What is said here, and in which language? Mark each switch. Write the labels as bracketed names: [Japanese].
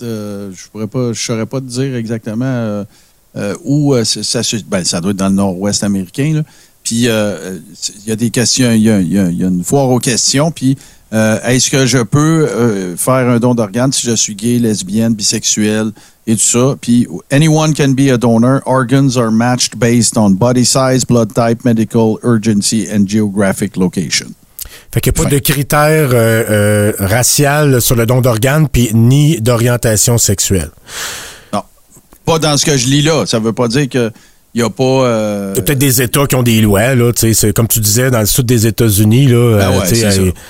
[French] Je saurais pas te dire exactement ça doit être dans le nord-ouest américain, là. Puis il y a des questions, il y a une foire aux questions, puis est-ce que je peux faire un don d'organes si je suis gay, lesbienne, bisexuel et tout ça? [English] Puis anyone can be a donor. Organs are matched based on body size, blood type, medical urgency and geographic location. [French] Fait qu'il n'y a pas de critères racial sur le don d'organes, puis ni d'orientation sexuelle. Non. Pas dans ce que je lis là. Ça veut pas dire que il n'y a pas. Il y a peut-être des États qui ont des lois, là. C'est, comme tu disais, dans le sud des États-Unis, là. Ben ouais, c'est ça.